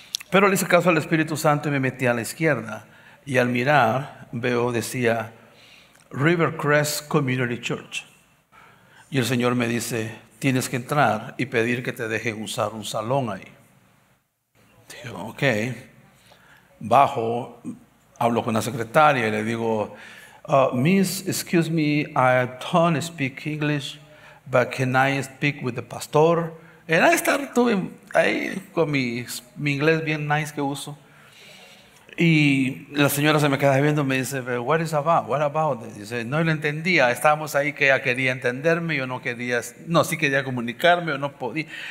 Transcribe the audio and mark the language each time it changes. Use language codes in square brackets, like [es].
[es] Pero le hice caso al Espíritu Santo y me metí a la izquierda. Y al mirar, veo, decía: Rivercrest Community Church. Y el Señor me dice: tienes que entrar y pedir que te dejen usar un salón ahí. Digo: ok. Bajo, hablo con la secretaria y le digo: [en] Miss, excuse me, I don't speak English, but can I speak with the pastor? [es] Era estar tú ahí con mi inglés bien nice que uso. Y la señora se me queda viendo y me dice: [en] what is about? What about? [es] Dice: no lo entendía. Estábamos ahí que ella quería entenderme, yo no quería, no, sí quería comunicarme, yo no podía.